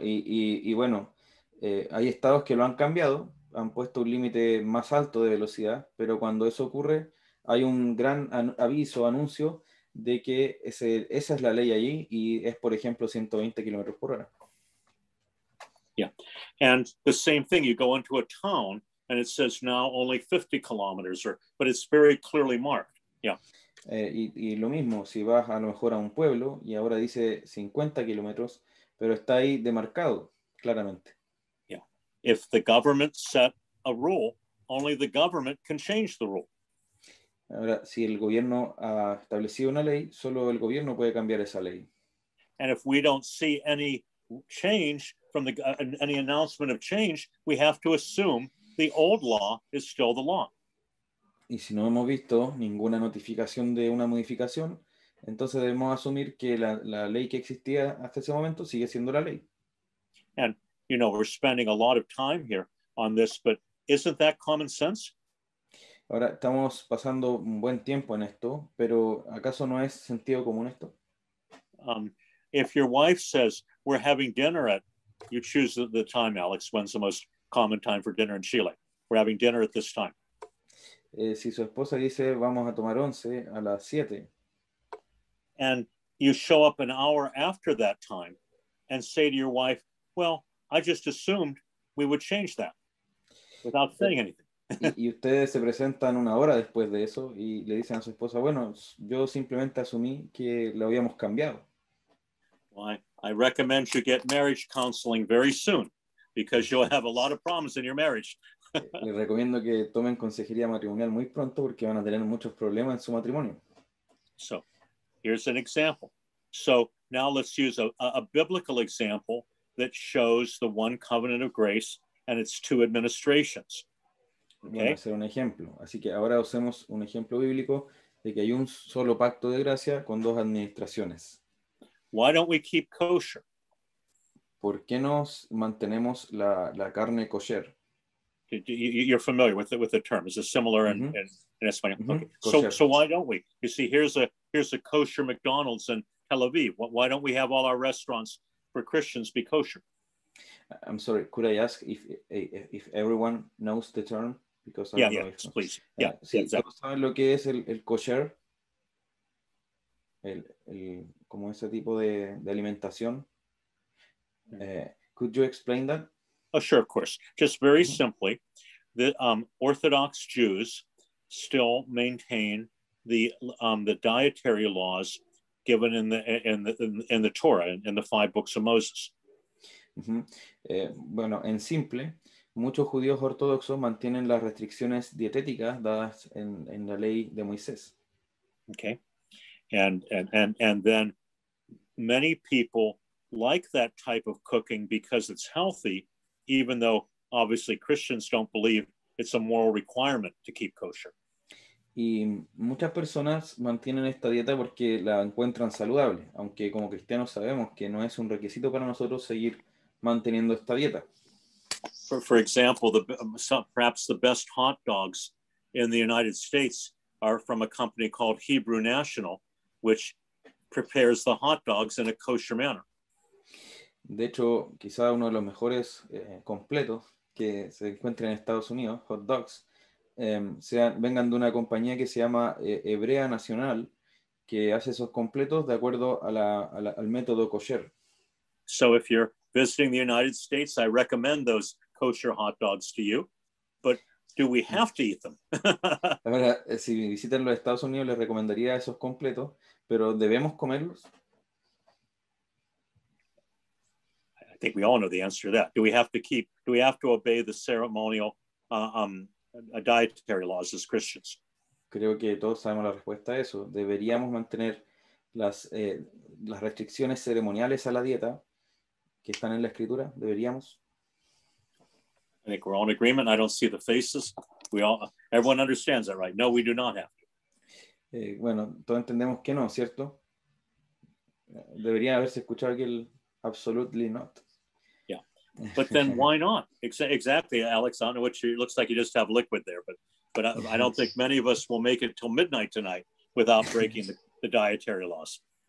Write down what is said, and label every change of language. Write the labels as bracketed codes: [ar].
[es] Y bueno, hay estados que lo han cambiado, han puesto un límite más alto de velocidad, pero cuando eso ocurre, hay un gran anuncio de que esa es la ley allí y es, por ejemplo, 120 kilómetros por hora. [en] Yeah. And the same thing, you go into a town and it says now only 50 kilometers, but it's very clearly marked. Yeah. [es] Y lo mismo, si vas a lo mejor a un pueblo y ahora dice 50 kilómetros, pero está ahí demarcado claramente. [en] Yeah. If the government set a rule, only the government can change the rule. [es] Ahora, si el gobierno ha establecido una ley, solo el gobierno puede cambiar esa ley. [en] And if we don't see any change from the any announcement of change, we have to assume the old law is still the law. [es] Y si no hemos visto ninguna notificación de una modificación, entonces debemos asumir que la ley que existía hasta ese momento sigue siendo la ley. [en] And you know, we're spending a lot of time here on this, but isn't that common sense? [es] Ahora estamos pasando un buen tiempo en esto, pero ¿acaso no es sentido común esto? [en] If your wife says we're having dinner at, you choose the time, Alex. When's the most common time for dinner in Chile? We're having dinner at this time. [es] Si su esposa dice vamos a tomar once a las 7. [en] And you show up an hour after that time and say to your wife, well, I just assumed we would change that without saying anything. [es] Y ustedes se presentan una hora después de eso y le dicen a su esposa, bueno, yo simplemente asumí que lo habíamos cambiado. [en] Well, I recommend you get marriage counseling very soon because you'll have a lot of problems in your marriage. [es] Les recomiendo que tomen consejería matrimonial muy pronto porque van a tener muchos problemas en su matrimonio. [en] So, here's an example. So, now let's use a biblical example that shows the one covenant of grace and its two administrations. [es] Okay? Voy a hacer un ejemplo. Así que ahora usemos un ejemplo bíblico de que hay un solo pacto de gracia con dos administraciones. [en] Why don't we keep kosher? [es] ¿Por qué nos mantenemos la carne kosher? [en] You're familiar with the term. It's a similar in Espanol. Mm-hmm. Okay. So why don't we? You see, here's a kosher McDonald's in Tel Aviv. Why don't we have all our restaurants for Christians be kosher? I'm sorry. Could I ask if everyone knows the term? Because I don't know if please. Exactly. [es] ¿Saben lo que es el kosher? El como ese tipo de alimentación. [en] Could you explain that? Oh, sure, of course. Just very simply, the Orthodox Jews still maintain the dietary laws given in the Torah, in the five books of Moses. Mm-hmm. [es] Bueno, en simple, muchos judíos ortodoxos mantienen las restricciones dietéticas dadas en la ley de Moisés. [en] Okay. And then many people like that type of cooking because it's healthy, even though obviously Christians don't believe it's a moral requirement to keep kosher. [es] Y muchas personas mantienen esta dieta porque la encuentran saludable, aunque como cristianos sabemos que no es un requisito para nosotros seguir manteniendo esta dieta. [en] For example, perhaps the best hot dogs in the United States are from a company called Hebrew National, which prepares the hot dogs in a kosher manner. [es] De hecho, quizá uno de los mejores completos que se encuentren en Estados Unidos, hot dogs, vengan de una compañía que se llama Hebrea Nacional, que hace esos completos de acuerdo al método kosher. [en] So if you're visiting the United States, I recommend those kosher hot dogs to you, but do we have to eat them? [es] Ahora, si visitan los Estados Unidos, les recomendaría esos completos, pero ¿debemos comerlos? [en] I think we all know the answer to that. Do we have to obey the ceremonial dietary laws as Christians? [es] Creo que todos sabemos la respuesta a eso. Deberíamos mantener las restricciones ceremoniales a la dieta que están en la escritura. Deberíamos. [en] I think we're all in agreement. I don't see the faces. Everyone understands that, right? No, we do not have to. [es] Bueno, todos entendemos que no, ¿cierto? Debería haberse escuchado que el [en] absolutely not. But then why not? Exactly, Alex. I don't know what you, it looks like you just have liquid there, but I don't think many of us will make it till midnight tonight without breaking the dietary laws.